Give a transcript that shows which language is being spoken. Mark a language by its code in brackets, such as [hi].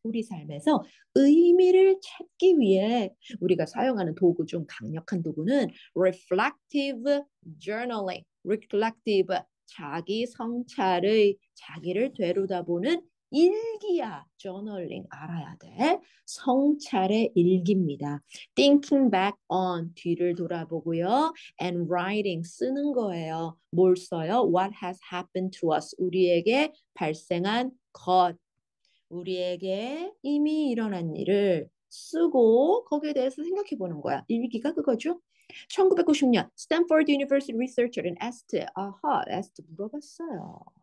[ko] 우리 삶에서 의미를 찾기 위해 우리가 사용하는 도구 중 강력한 도구는 reflective journaling. reflective, 자기 성찰의, 자기를 되돌아보는 일기야. 저널링 알아야 돼. 성찰의 일기입니다. [en] Thinking back on [ko] 뒤를 돌아보고요. [en] And writing [ko] 쓰는 거예요. 뭘 써요? [en] What has happened to us? [ko] 우리에게 발생한 것. 우리에게 이미 일어난 일을 쓰고 거기에 대해서 생각해 보는 거야. 일기가 그거죠? 1990년 스탠퍼드 유니버시티 리서처인 에스트. 아하, 에스트 물어봤어요.